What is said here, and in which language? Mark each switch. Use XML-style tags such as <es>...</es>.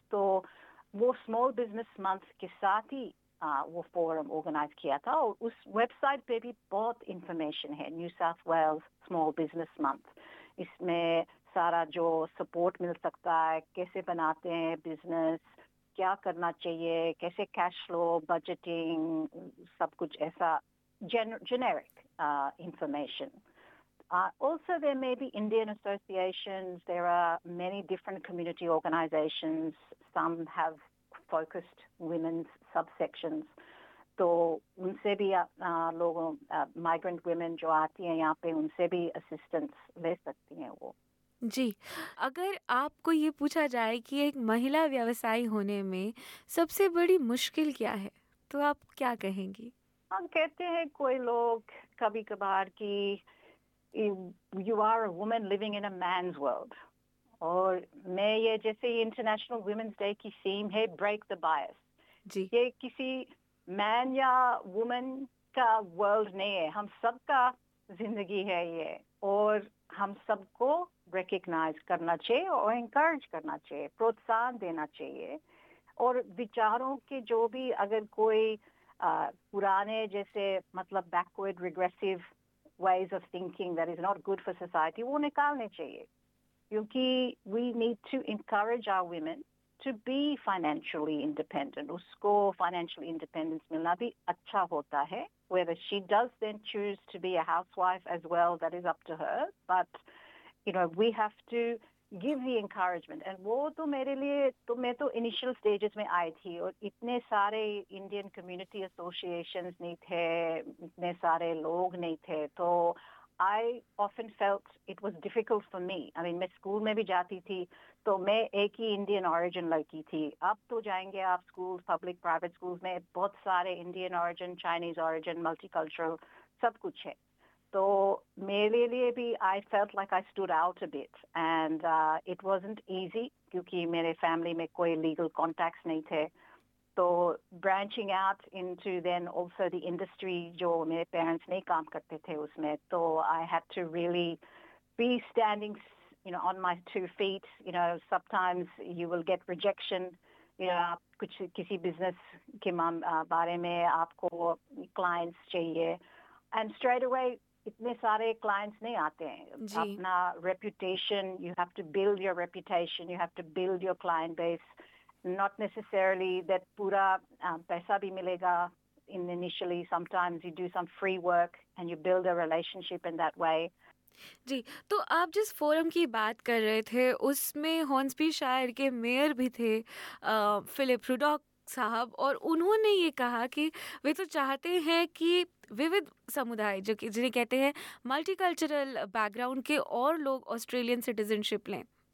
<hi>तो वो small business month के साथ ही वो फोरम ऑर्गेनाइज किया था, और उस वेबसाइट पे भी बहुत इंफॉर्मेशन है, new south Wales small business month. इसमें सारा जो सपोर्ट मिल सकता है, कैसे बनाते हैं बिजनेस, क्या करना चाहिए, कैसे कैश फ्लो, बजटिंग, सब कुछ ऐसा generic information.</hi> <en>Also, there may be Indian associations. There are many different community organizations. Some have focused women's subsections.</en> <hi>So, unse bhi logo migrant women jo aati hain yahan pe, unse bhi assistance le sakti hain wo. जी, अगर आपको ये पूछा जाए कि एक महिला व्यवसायी होने में सबसे बड़ी मुश्किल क्या है, तो आप क्या कहेंगी? हम कहते हैं कोई लोग कभी कभार कि</hi> <en>you are a woman living in a man's world.</en> <hi>और मैं ये जैसे इंटरनेशनल वुमेन्स डे की सीम है, ब्रेक द बायस, ये किसी मैन या वुमेन का वर्ल्ड नहीं है, हम सबका जिंदगी है ये, और हम सबको रिकग्नाइज करना चाहिए और इंकरेज करना चाहिए, प्रोत्साहन देना चाहिए। और विचारों के जो भी अगर कोई पुराने जैसे, मतलब backward regressive</hi> <en>ways of thinking that is not good for society</en> <hi>वो निकालने चाहिए, क्योंकि</hi> <en>we need to encourage our women to be financially independent.</en> <hi>उसको financial independence मिलना भी अच्छा होता है.</hi> <en>Whether she does then choose to be a housewife as well, that is up to her. But you know, we have to give the encouragement.</en> <hi>And वो तो मेरे लिए तो मैं तो initial stages में आई थी और इतने सारे Indian community associations नहीं थे, इतने सारे लोग नहीं थे, तो</hi> <en>I often felt it was difficult for me.</en> <hi>I mean, मैं school में भी जाती थी तो मैं एक ही Indian origin लड़की थी. अब तो जाएंगे आप schools, public, private schools में बहुत सारे Indian origin, Chinese origin, multicultural, सब कुछ है. तो मेरे लिए भी</hi> <en>I felt like I stood out a bit. And it wasn't easy</en> <hi>क्योंकि मेरे family में कोई legal contacts नहीं थे.</hi> <en>तो branching out into then also the industry</en> <hi>जो मेरे parents नहीं काम करते थे उसमें, तो</hi> <en>I had to really be standing, you know, on my two feet. You know, sometimes you will get rejection.</en> <hi>You know, कुछ किसी business के बारे में आपको clients चाहिए,</hi> <en>and straight away</en> <hi>इतने सारे clients नहीं आते हैं.</hi> <en>अपना reputation, you have to build your reputation, you have to build your client base. Not necessarily that</en> <hi>pura paisa bhi milega</hi> <en>in initially. Sometimes you do some free work and you build a relationship in that way.</en> <hi>जी, तो आप जिस forum की बात कर रहे थे उसमें हॉर्न्सबी शायर के मेयर भी थे फिलिप रुडॉक साहब, और उन्होंने ये कहा कि वे तो चाहते हैं कि विविध समुदाय जो कि जिन्हें कहते हैं मल्टीकल्चरल बैकग्राउंड के और लोग ऑस्ट्रेलियन सिटीजनशिप लें.</hi>